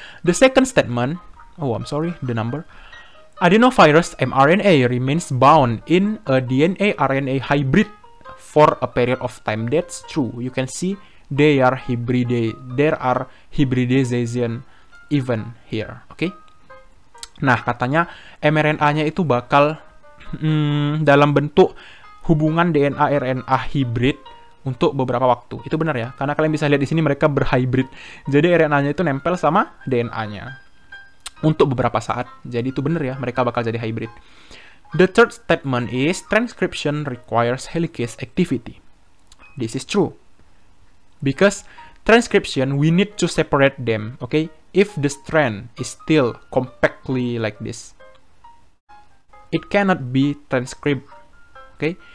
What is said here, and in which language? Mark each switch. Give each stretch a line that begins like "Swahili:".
English: The second statement, oh, I'm sorry, the number. Adenovirus mRNA remains bound in a DNA-RNA hybrid for a period of time. That's true. You can see there are hybridization even here. Oke? Okay?
Indonesian: Nah, katanya mRNA-nya itu bakal dalam bentuk hubungan DNA-RNA hybrid untuk beberapa waktu. Itu benar ya, karena kalian bisa lihat di sini mereka berhybrid. Jadi RNA-nya itu nempel sama DNA-nya untuk beberapa saat. Jadi itu benar ya, mereka bakal jadi hybrid.
English: The third statement is transcription requires helicase activity. This is true. Because transcription, we need to separate them, okay? If the strand is still compactly like this, it cannot be transcribed. Okay?